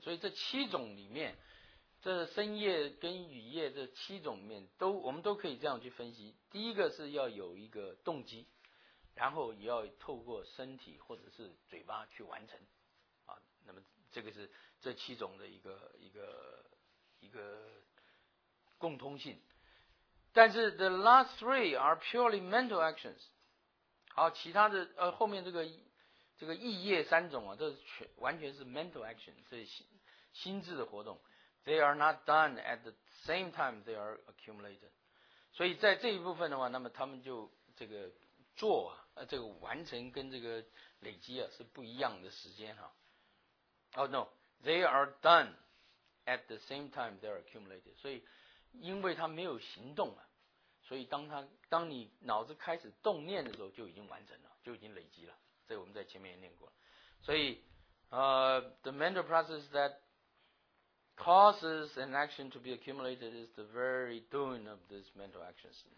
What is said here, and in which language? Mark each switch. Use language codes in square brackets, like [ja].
[zh] 所以这七种里面，这身业跟语业这七种里面都，我们都可以这样去分析。第一个是要有一个动机，然后也要透过身体或者是嘴巴去完成。啊，那么这个是这七种的一个共通性。 [en] 但是 the last three are purely mental actions. [zh] 好，其他的后面这个意业三种啊，这完全是 mental action， 这是心智的活动。 [en] They are not done at the same time they are accumulated。 [zh] 所以在这一部分的话，那么他们就这个做啊，这个完成跟这个累积啊是不一样的时间哈。 [en] Oh no， they are done at the same time they are accumulated。 [zh] 所以因为他没有行动啊，所以当你脑子开始动念的时候，就已经完成了，就已经累积了。这个我们在前面也念过了，所以 [en] The mental process that causes an action to be accumulated is the very doing of this mental actions.